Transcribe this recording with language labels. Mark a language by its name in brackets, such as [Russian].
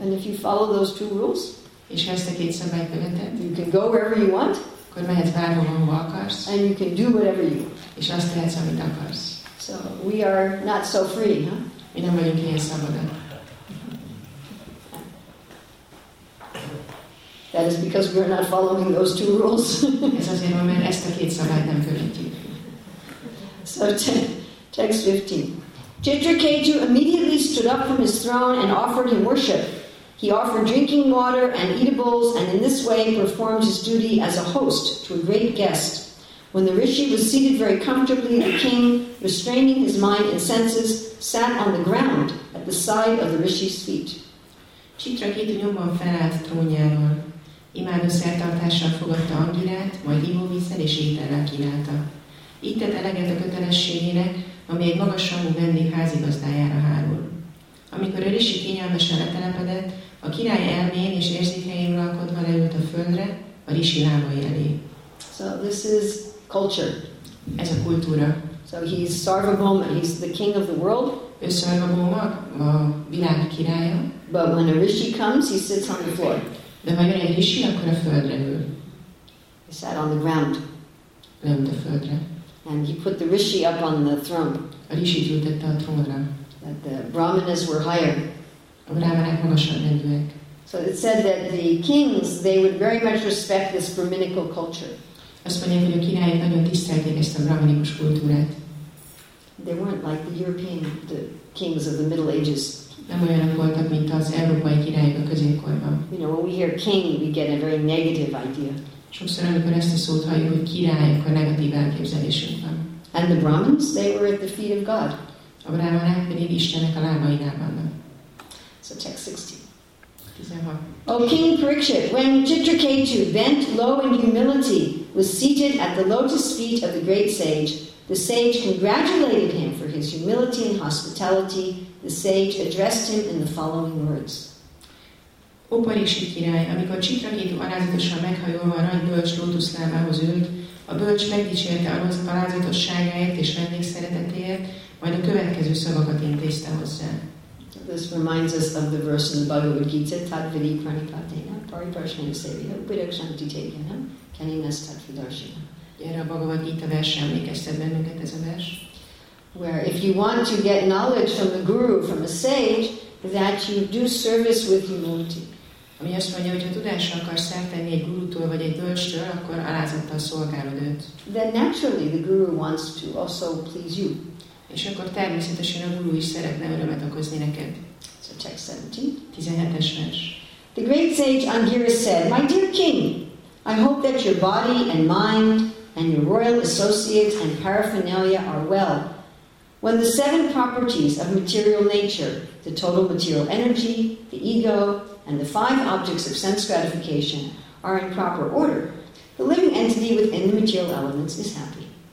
[English] And if you follow those two rules, [Hungarian] és ha ezt a két szabályt követed, [English] you can go wherever you want, [Hungarian] akkor mehetsz bárhol, ahol akarsz, [English] and you can do whatever you want, [Hungarian] és azt tehetsz, amit akarsz. [English] So we are not so free, huh? [Hungarian] Mi nem vagyunk ilyen szabadon. [English] That is because we are not following those two rules. [Hungarian] Ez azért, mert ezt a két szabályt nem követjük. [English] So text 15. Chitraketu immediately stood up from his throne and offered him worship. He offered drinking water and eatables, and in this way performed his duty as a host to a great guest. When the Rishi was seated very comfortably, the king, restraining his mind and senses, sat on the ground at the side of the Rishi's feet. [Hungarian] Chitraketu nyomban felállt trónjáról. Imádó szertartással fogadta angirát, majd ivóvízzel és étellel kínálta. Itt tett eleget a kötelességére, ami egy magasrangú vendég házigazdájára hárul. Amikor a Rishi kényelmesen letelepedett, a király elmén és érzékeim uralkodva leült a földre, a Rishi lábai elé. [English] So this is culture. [Hungarian] Ez a kultúra. [English] So he's Sarvabhauma, he's the king of the world. [Hungarian] Ő Sarvabhauma, a világ királya. [English] But when a Rishi comes, he sits on the floor. [Hungarian] De ha jön egy Rishi, akkor a földre ül. [English] He sat on the ground. [Hungarian] Leült a földre. [English] And he put the Rishi up on the throne. [Hungarian] A Rishit ültette a trónra. [English] That the brahmanas were higher. [Hungarian] A brahmanák magasabb rendűek. [English] So it said that the kings, they would very much respect this brahminical culture. [Hungarian] Azt mondják, hogy a királyok nagyon tisztelték ezt a brahminikus kultúrát. [English] They weren't like the European, the kings of the Middle Ages. [Hungarian] Nem olyanok voltak, mint az európai királyok a középkorban. [English] You know, when we hear king, we get a very negative idea. [Hungarian] Sokszor, amikor ezt a szót halljuk, hogy király, akkor negatív elképzelésünk van. [English] And the brahmins, they were at the feet of God. [Hungarian] A brahmanák pedig Istennek a lábainál vannak. [English] So text 16. O King Parikshit, when Chitraketu bent low in humility, was seated at the lotus feet of the great sage, the sage congratulated him for his humility and hospitality. The sage addressed him in the following words. [Hungarian] O Parikshit király, amikor Chitraketu alázatosan meghajolva a nagy bölcs lótusz lábához ült, a bölcs megdicsérte alázatosságáért és vendégszeretetéért, majd a következő szavakat intézte hozzá. [English] This reminds us of the verse in the Bhagavad Gita, Tad Vidhi Pranipatena, Pari Parshana Sevya, Upirakshan Titekena, Kaninas Tad Vidarshina. [Hungarian] Erre a Bhagavad Gita verse emlékeztet bennünket, ez a vers. [English] Where if you want to get knowledge from a guru, from a sage, that you do service with humility. [Hungarian] Ami azt mondja, hogy ha tudásra akarsz szertenni egy gurútól vagy egy bölcstől, akkor alázattal szolgálod őt. [English] Then naturally the guru wants to also please you. [Hungarian] És akkor természetesen a guru is szeretne örömet okozni neked. [English] So text 17. [Hungarian] 17-es vers. [English] The great sage Angira said, my dear king, I hope that your body and mind and your royal associates and paraphernalia are well. When the seven properties of material nature, the total material energy, the ego, and the five objects of sense gratification are in proper order, the living entity within the material elements is happy.